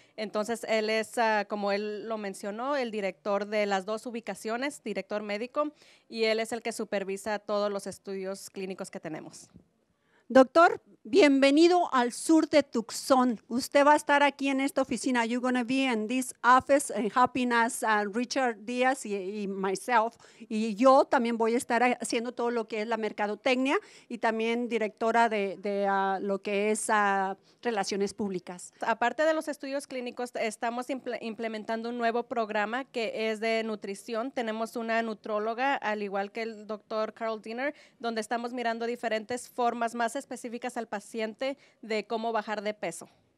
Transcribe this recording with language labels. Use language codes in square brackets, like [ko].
[es] Entonces, él es, como él lo mencionó, el director de las dos ubicaciones, director médico, y él es el que supervisa todos los estudios clínicos que tenemos. Doctor, bienvenido al sur de Tucson. Usted va a estar aquí en esta oficina. [en] You're going to be in this office and helping us, Richard Diaz y myself. [es] Y yo también voy a estar haciendo todo lo que es la mercadotecnia y también directora de lo que es relaciones públicas. Aparte de los estudios clínicos, estamos implementando un nuevo programa que es de nutrición. Tenemos una nutróloga, al igual que el doctor Carl Diener, donde estamos mirando diferentes formas más específicas al paciente de cómo bajar de peso.